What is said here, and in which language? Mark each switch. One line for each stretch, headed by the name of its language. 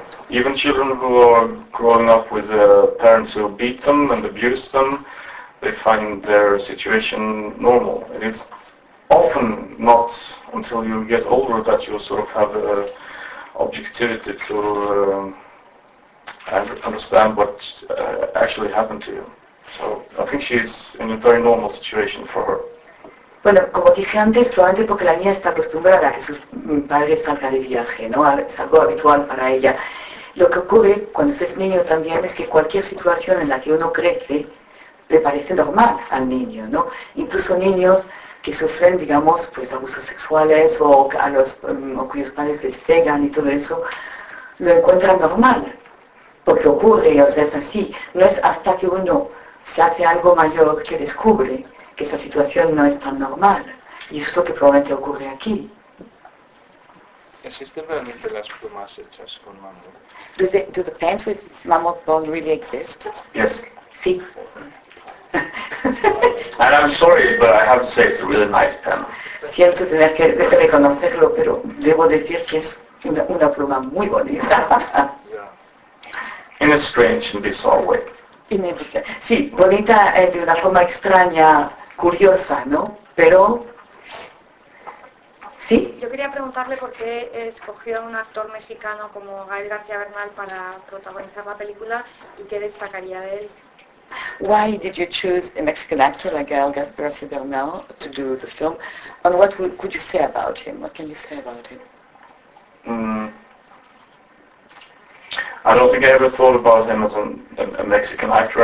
English: Even children who are growing up with parents who beat them and abuse them, they find their situation normal. And it's often not until you get older that you sort of have a objectivity to understand what actually happened to you. So I think she's in a very normal situation for her.
Spanish: Bueno, como dije antes, probablemente porque la niña está acostumbrada a que su padre salga de viaje, ¿no? Es algo habitual para ella. Lo que ocurre cuando es niño también es que cualquier situación en la que uno crece le parece normal al niño, ¿no? Incluso niños que sufren, digamos, pues abusos sexuales o cuyos padres les cegan y todo eso, lo encuentran normal. Porque ocurre, o sea, es así. No es hasta que uno se hace algo mayor que descubre que esa situación no es tan normal, y es lo que probablemente ocurre aquí. ¿Existen realmente las plumas hechas con mamut?
English: Do the pants with mamut bone really exist? Yes.
Spanish: Sí.
English: And I'm sorry, but I have to say it's a really nice pen.
Spanish: Siento tener que reconocerlo, pero debo decir que es una pluma muy bonita.
English: Yeah. In a strange and bizarre way.
Spanish: Sí, bonita de una forma extraña, curiosa, ¿no? Pero, ¿sí? Yo quería preguntarle por qué escogió a un actor mexicano como Gael García Bernal para protagonizar la película y qué destacaría de él.
English: Why did you choose a Mexican actor like Gael García Bernal to do the film? And what could you say about him? What can you say about him? I don't think I ever thought about him as a Mexican actor.